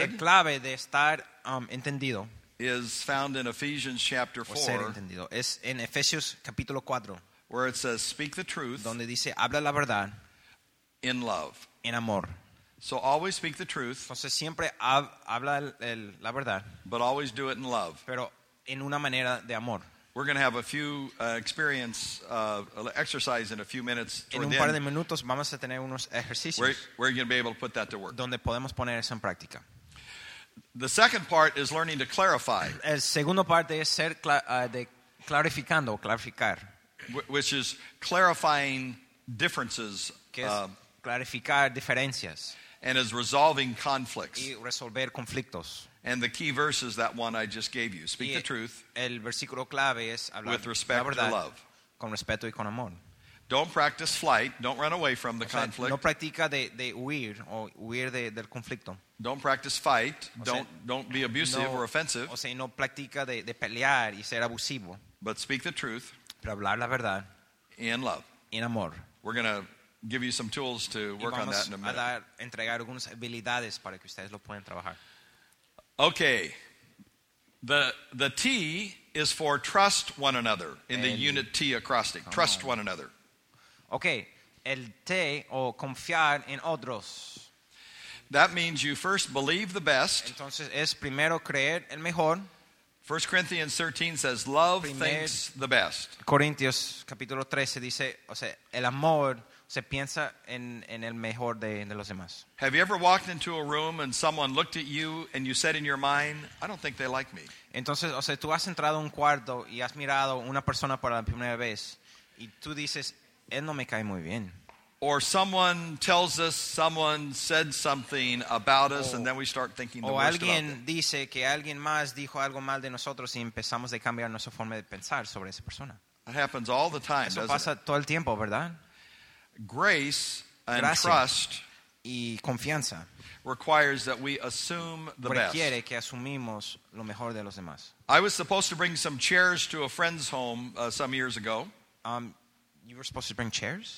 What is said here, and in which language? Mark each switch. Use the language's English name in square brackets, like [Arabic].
[Spanish] el clave de estar entendido, [English] is found in Ephesians chapter 4. [Spanish] O ser entendido es en Efesios capítulo 4, [English] where it says speak the truth, [Spanish] donde dice habla la verdad, [English] in love, [Spanish] en amor. [English] So always speak the truth. [Spanish] Entonces siempre habla la verdad. [English] But always do it in love. [Spanish] Pero en una manera de amor. [English] We're going to have a few experience exercise in a few minutes. [Spanish] En un par de minutos vamos a tener unos ejercicios. [English] Where you're going to be able to put that to work. [Spanish] Donde podemos poner eso en práctica. [English] The second part is learning to clarify. [Spanish] El segundo parte es ser de clarificando, clarificar. [English] Which is clarifying differences. [Spanish] Clarificar diferencias. [English] And is resolving conflicts. [Spanish] Y resolver conflictos. [English] And the key verse is that one I just gave you. Speak [Spanish] y [English] the truth. [Spanish] El versículo clave es hablar [English] with respect [Spanish] la verdad, [English] to love. [Spanish] Con respeto y con amor. [English] Don't practice flight. Don't run away from the conflict. [Spanish] No practica de huir o huir del conflicto. [English] Don't practice fight. Don't be abusive or offensive. [Spanish] O sea, no practica de pelear y ser abusivo. [English] But speak the truth. [Spanish] Pero hablar la verdad. [English] In love. [Spanish] En amor. [English] We're going to give you some tools to work on that in a minute. [Spanish] Y vamos a entregar algunas habilidades para que ustedes lo puedan trabajar. [English] Okay. The T is for trust one another in the unit T acrostic. Trust one another. [Spanish] Okay. El T o confiar en otros. [English] That means you first believe the best. [Spanish] Entonces es primero creer el mejor. [English] 1 Corinthians 13 says love thinks the best. [Spanish] Corintios capítulo 13 dice, o sea, el amor se piensa en el mejor de los demás. [English] Have you ever walked into a room and someone looked at you and you said in your mind, I don't think they like me? [Spanish] Entonces, o sea, tú has entrado a un cuarto y has mirado una persona por la primera vez y tú dices, él no me cae muy bien. [English] Or someone tells us someone said something about us and then we start thinking the worst about them. [Spanish] O alguien dice que alguien más dijo algo mal de nosotros y empezamos a cambiar nuestra forma de pensar sobre esa persona. [English] That happens all the time, doesn't it? [Spanish] Eso pasa todo el tiempo, ¿verdad? [English] Grace and trust [Spanish] y confianza [English] requires that we assume the best. [Spanish] Requiere que asumimos lo mejor de los demás. [English] I was supposed to bring some chairs to a friend's home some years ago. You were supposed to bring chairs?